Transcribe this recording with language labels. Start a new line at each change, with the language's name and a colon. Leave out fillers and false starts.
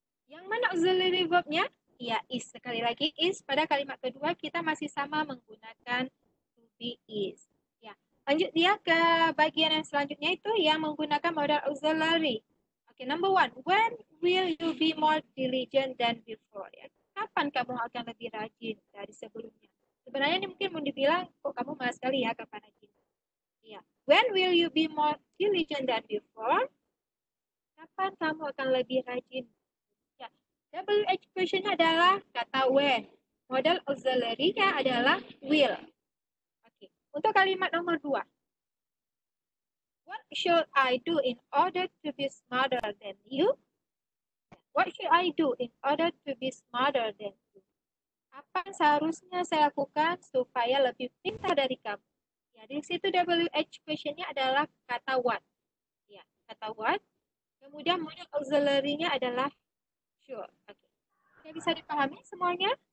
Indonesian: Yang mana auxiliary verb-nya? Iya, is. Sekali lagi, is. Pada kalimat kedua, kita masih sama menggunakan to be is. Ya. Lanjut dia ke bagian yang selanjutnya itu yang menggunakan modal auxiliary.
English: Oke, number one. When will you be more diligent than before?
Indonesian: Ya. Kapan kamu akan lebih rajin dari sebelumnya? Sebenarnya ini mungkin mau dibilang, kok kamu malas sekali ya, kapan rajin? Iya.
English: When will you be more diligent than before?
Indonesian: Kapan kamu akan lebih rajin? Ya. WH question-nya adalah kata when. Modal auxiliary-nya adalah will. Okay. Untuk kalimat nomor 2.
English: What should I do in order to be smarter than you? What should I do in order to be smarter than you?
Indonesian: Apa seharusnya saya lakukan supaya lebih pintar dari kamu? Ya, di situ WH question-nya adalah kata what. Ya, kata what. Kemudian modal auxiliary-nya adalah should. Oke. Okay. Ya, bisa dipahami semuanya?